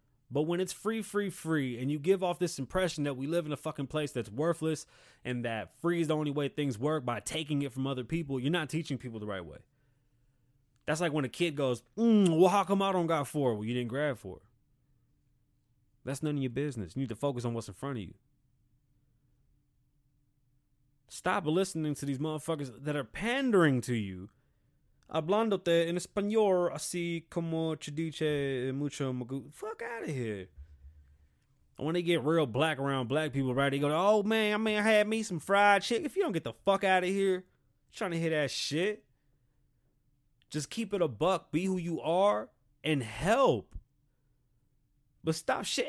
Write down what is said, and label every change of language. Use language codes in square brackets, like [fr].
[en] But when it's free, free, free, and you give off this impression that we live in a fucking place that's worthless and that free is the only way things work by taking it from other people, you're not teaching people the right way. That's like when a kid goes, well, how come I don't got four? Well, you didn't grab four. That's none of your business. You need to focus on what's in front of you. Stop listening to these motherfuckers that are pandering to you. [es] Hablándote en español, así como te dice mucho. [en] Fuck out of here. And when they get real black around black people, right? They go, oh, man, I mean, I had me some fried chicken. If you don't get the fuck out of here, trying to hear that shit. Just keep it a buck. Be who you are and help. But stop shit.